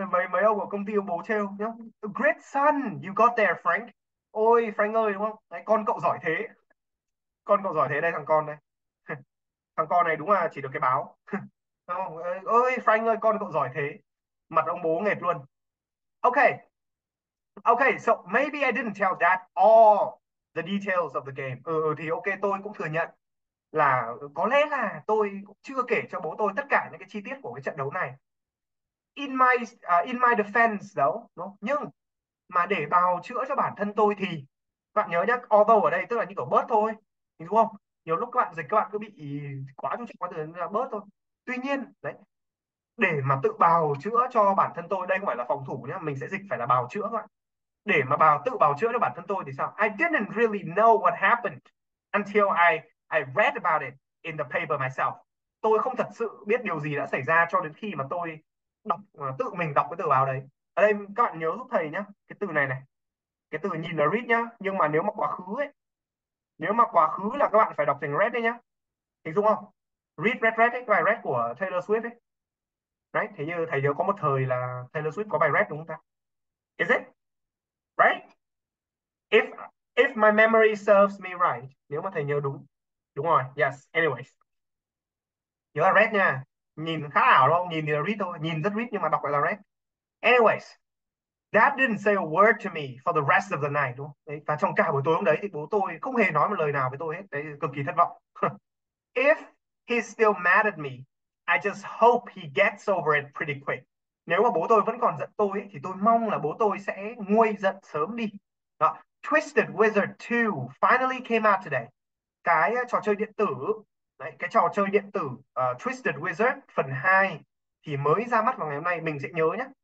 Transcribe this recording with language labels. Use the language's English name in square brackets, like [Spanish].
[Vietnamese] Mấy ông ở công ty ông bố trêu nhá. [English] Great son, you got there, Frank. [Vietnamese] Ôi, Frank ơi, đúng không? Đấy, con cậu giỏi thế. Con cậu giỏi thế đây, thằng con đây. Thằng con này đúng là chỉ được cái báo. Ôi, Frank ơi, con cậu giỏi thế. Mặt ông bố nghệt luôn. [English] So maybe I didn't tell dad all the details of the game. [Vietnamese] Ừ, thì ok, tôi cũng thừa nhận là có lẽ là tôi cũng chưa kể cho bố tôi tất cả những cái chi tiết của cái trận đấu này. [English] In my defense though, [Vietnamese] nhưng mà để bào chữa cho bản thân tôi thì bạn nhớ nhá, although ở đây tức là như kiểu bớt thôi, đúng không? Nhiều lúc các bạn dịch các bạn cứ bị quá chú trọng quá, từ là bớt thôi. Tuy nhiên đấy, để mà tự bào chữa cho bản thân tôi, đây không phải là phòng thủ nhá, mình sẽ dịch phải là bào chữa các bạn. Để mà tự bào chữa cho bản thân tôi thì sao? [English] I didn't really know what happened until I read about it in the paper myself. [Vietnamese] Tôi không thật sự biết điều gì đã xảy ra cho đến khi mà tôi đọc, tự mình đọc cái tờ báo đấy. Ở đây các bạn nhớ giúp thầy nhá, cái từ này này, cái từ nhìn là read nhá, nhưng mà nếu mà quá khứ ấy, nếu mà quá khứ là các bạn phải đọc thành read đấy nhá, hình dung không? Read read read ấy, cái bài read của Taylor Swift ấy. Đấy, thế như thầy nhớ có một thời là Taylor Swift có bài rap đúng không ta? [English] Is it? Right? If my memory serves me right. [Vietnamese] Nếu mà thầy nhớ đúng. Đúng rồi, yes, anyways. Nhớ là rap nha. Nhìn khá ảo đúng không? Nhìn thì là read thôi. Nhìn rất read nhưng mà đọc lại là rap. [English] Anyways, Dad didn't say a word to me for the rest of the night, [Vietnamese] đúng không? Đấy, và trong cả buổi tối hôm đấy thì bố tôi không hề nói một lời nào với tôi hết. Đấy, cực kỳ thất vọng. [English] If he's still mad at me, I just hope he gets over it pretty quick. [Vietnamese] Nếu mà bố tôi vẫn còn giận tôi ấy, thì tôi mong là bố tôi sẽ nguôi giận sớm đi. Đó. [English] Twisted Wizard 2 finally came out today. [Vietnamese] Cái trò chơi điện tử, đấy, cái trò chơi điện tử Twisted Wizard phần 2 thì mới ra mắt vào ngày hôm nay. Mình sẽ nhớ nhé.